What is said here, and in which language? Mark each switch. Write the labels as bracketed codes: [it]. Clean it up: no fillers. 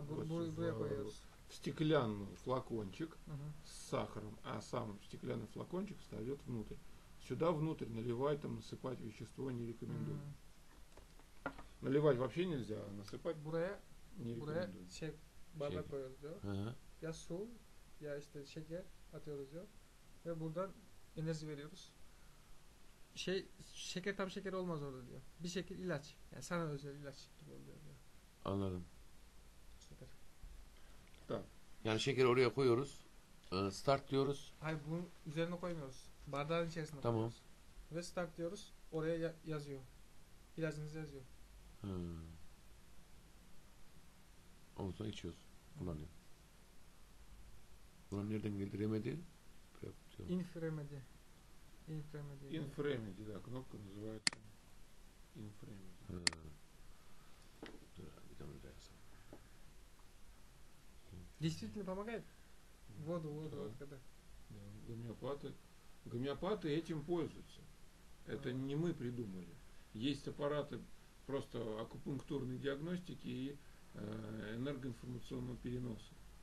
[ru] в стеклянный флакончик с сахаром, а сам стеклянный флакончик встает внутрь. Сюда внутрь наливать там, насыпать вещество не рекомендую. Наливать вообще нельзя, а насыпать бурая не рекомендую. Чек. Бабай поезд, да? Я сул. [tr] Ya işte şeker atıyoruz diyor. Ve buradan enerji veriyoruz. Şey şeker tam şeker olmaz orada diyor. Bir şekil ilaç. Yani sana özel ilaç gibi oluyor diyor. Anladım. Süper. Tamam. Yani şekeri oraya koyuyoruz. Start diyoruz. Hayır, bunun üzerine koymuyoruz. Bardağın içerisine tamam. Koyuyoruz. Tamam. Ve start diyoruz. Oraya yazıyor. İlacınızı yazıyor. Ondan sonra içiyoruz. Kullanıyor. Bunu nereden geldi? Remedi? Infremedi. [ru] Infremedi, da. Кнопка называется Infremedi. [tr] Dur, bir tane daha yazalım. [ru] Действительно помогает? Воду, да. Гомеопаты. Гомеопаты этим пользуются. Это не мы придумали. Есть аппараты просто акупунктурной диагностики и энергоинформационного переноса.